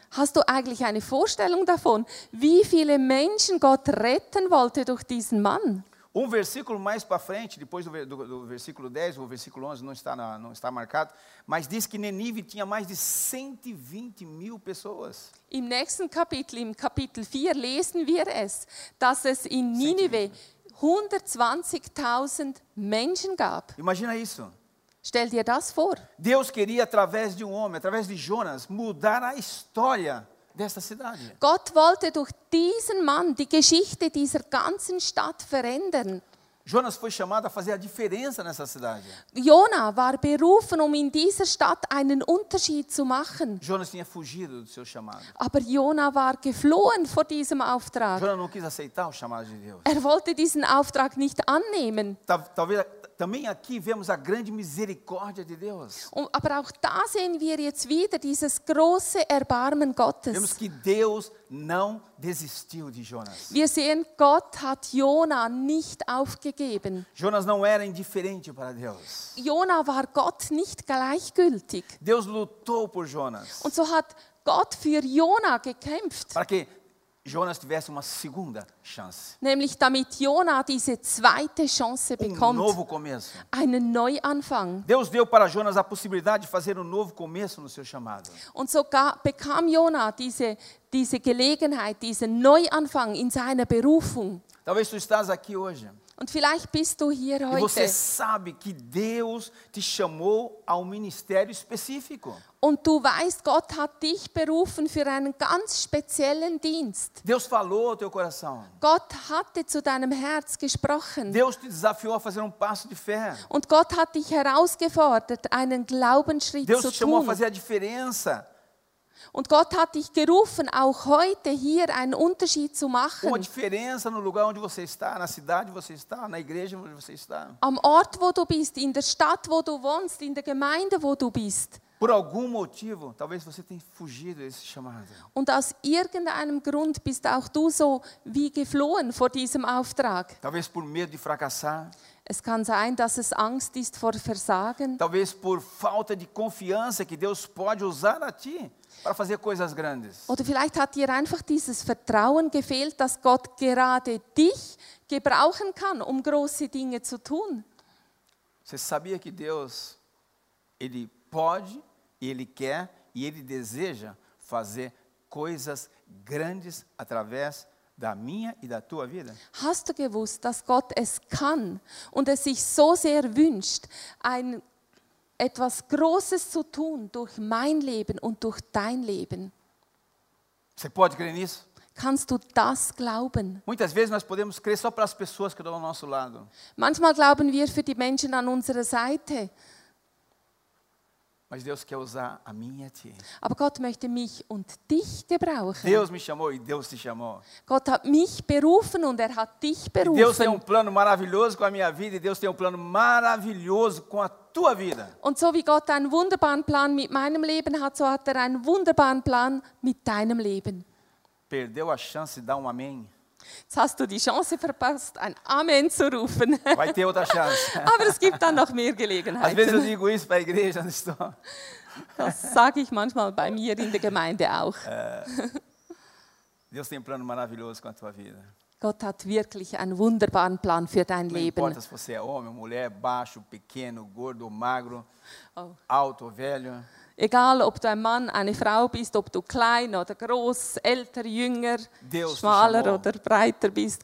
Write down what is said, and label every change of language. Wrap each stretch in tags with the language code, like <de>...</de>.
<de>Hast du eigentlich eine Vorstellung davon, wie viele Menschen Gott retten wollte durch diesen Mann?</de> <pt>Um versículo mais para frente, depois do versículo 10, o versículo 11 não está marcado, mas diz que Nínive tinha mais de 120 mil pessoas.</pt> <de>Im nächsten Kapitel, im Kapitel 4, lesen wir es, dass es in Nínive 120.000 Menschen gab.</de> <pt>Imagina isso.</pt> <de>Stell dir das vor.</de> <pt>Deus queria, através de um homem, através de Jonas, mudar a história.</pt> <de>Gott wollte durch diesen Mann die Geschichte dieser ganzen Stadt verändern.</de> <pt>Jonas foi chamado a fazer a diferença nessa cidade.</pt> <de>Jona war berufen, um in dieser Stadt einen Unterschied zu machen.</de> <pt>Jonas tinha fugido do seu chamado.</pt> <de>Aber Jona war geflohen vor diesem Auftrag.</de> <pt>Jonas não quis aceitar o chamado de Deus.</pt> <de>Er wollte diesen Auftrag nicht annehmen.</de> <pt>Também aqui vemos a grande misericórdia de Deus.</pt> <de>Aber auch da sehen wir jetzt wieder dieses große Erbarmen Gottes.</de> <pt>Vemos que Deus não desistiu de Jonas.</pt> <de>Wir sehen, Gott hat Jona nicht aufgegeben.</de> <pt>Jonas não era indiferente para Deus.</pt> <de>Jona war Gott nicht gleichgültig.</de> <pt>Deus lutou por Jonas.</pt> <de>Und so hat Gott für Jona gekämpft.</de> <pt>Para que Jonas tivesse uma segunda chance.</pt> <de>Nämlich damit Jona diese zweite Chance bekommt.</de> <pt>Um novo começo.</pt> <de>Einen Neuanfang.</de> <pt>Deus deu para Jonas a possibilidade de fazer um novo começo no seu chamado.</pt> <de>Und so bekam Jona diese Gelegenheit, diesen Neuanfang in seiner Berufung.</de> <pt>Talvez tu estás aqui hoje.</pt> <de>Und vielleicht bist du hier heute.</de> <pt>E você sabe que Deus te chamou a um ministério específico.</pt> <de>Und du weißt, Gott hat dich berufen für einen ganz speziellen Dienst.</de> <pt>Deus falou ao teu coração.</pt> <de>Gott hatte zu deinem Herz gesprochen.</de> <pt>Deus te desafiou a fazer um passo de fé.</pt> <de>Und Gott hat dich herausgefordert, einen Glaubensschritt</de> <pt>Deus Deus te chamou a fazer a diferença.</pt> <de>Und Gott hat dich gerufen, auch heute hier einen Unterschied zu machen.</de> <pt>Uma diferença no lugar onde você está, na cidade onde você está, na igreja onde você está.</pt> <de>Am Ort, wo du bist, in der Stadt, wo du wohnst, in der Gemeinde, wo du bist.</de> <pt>Por algum motivo, talvez você tenha fugido desse chamado.</pt> <de>Und aus irgendeinem Grund bist auch du so wie geflohen vor diesem Auftrag.</de> <pt>Talvez por medo de fracassar.</pt> <de>Es kann sein, dass es Angst ist vor Versagen.</de> <pt>Talvez por falta de confiança que Deus pode usar a ti para fazer coisas grandes.</pt> <de>Oder vielleicht hat dir einfach dieses Vertrauen gefehlt, dass Gott gerade dich gebrauchen kann, um große Dinge zu tun.</de> <pt>Você sabia que Deus, ele pode, ele quer e ele deseja fazer coisas grandes através da minha e da tua vida?</pt> <de>Hast du gewusst, dass Gott es kann und es sich so sehr wünscht, etwas Großes zu tun durch mein Leben und durch dein Leben?</de> <pt>Você pode crer nisso?</pt> <de>Kannst du das glauben?</de> <pt>Muitas vezes nós podemos crer só para as pessoas que estão ao nosso lado.</pt> <de>Manchmal glauben wir für die Menschen an unserer Seite.</de> <pt>Mas Deus quer usar a mim e a ti.</pt> <de>Aber Gott möchte mich und dich gebrauchen.</de> <pt>Deus me chamou e Deus te chamou.</pt> <de>Gott hat mich berufen und er hat dich berufen.</de> <pt>Deus tem um plano maravilhoso com a minha vida e Deus tem um plano maravilhoso com a tua vida.</pt> <de>Und so wie Gott einen wunderbaren Plan mit meinem Leben hat, so hat er einen wunderbaren Plan mit deinem Leben.</de> <pt>Perdeu a chance de dar um amém.</pt> <de>Jetzt hast du die Chance verpasst, ein Amen zu rufen.</de> <pt>Vai ter outra chance.</pt> <de>Aber es gibt dann noch mehr Gelegenheiten.</de> <pt>Às vezes eu digo isso para a igreja, onde estou.</pt> <de>Das sage ich manchmal bei mir in der Gemeinde auch.</de> <pt>Deus tem um plano maravilhoso com a tua vida.</pt> <de>Gott hat wirklich einen wunderbaren Plan für dein Leben.</de> <pt>Não importa se você é homem, mulher, baixo, pequeno, gordo, magro, alto, velho.</pt> <de>Egal, ob du ein Mann, eine Frau bist, ob du klein oder groß, älter, jünger, schmaler oder breiter bist.</de>